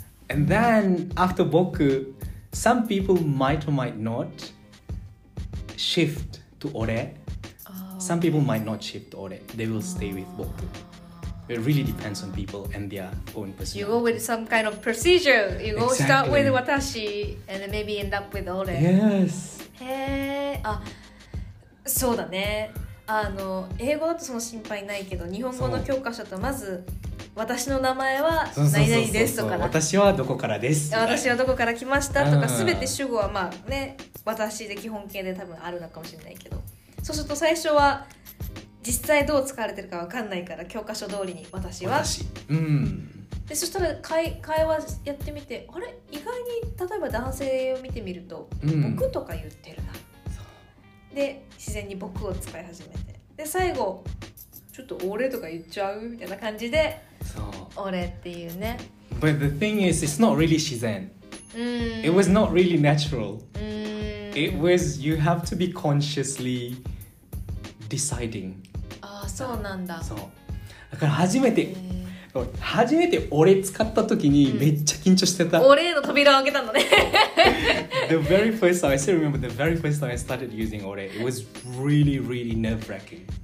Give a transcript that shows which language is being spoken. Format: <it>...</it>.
<en>And then after boku, some people might or might not shift to ore. Oh, some people might not shift to ore. They will stay with boku. It really depends on people and their own personality. You go with some kind of procedure. You go exactly. Start with watashi and then maybe end up with ore. Yes.</en> <ja>Hey. そうだね。あの英語だとその心配ないけど、日本語の教科書だとまず私の名前は何々ですとか、私はどこからです、私はどこから来ましたとか、すべて主語はまあね、私で基本形で多分あるのかもしれないけど、そうすると最初は実際どう使われてるか分かんないから、教科書通りに私は私、でそしたら 会話やってみて、あれ意外に例えば男性を見てみると、僕とか言ってるな、で自然に僕を使い始めて、で最後ちょっと俺とか言っちゃうみたいな感じで、そう俺っていうね。</ja> <en>But the thing is, it's not really 自然、It was not really natural、It was, you have to be consciously deciding。</en> <ja>あーそうなんだ。そうだから初めて、初めて俺使った時にめっちゃ緊張してた、俺の扉を開けたのね。</ja> <en>The very first time, I still remember the very first time I started using 俺、it was really really nerve-wracking.</en>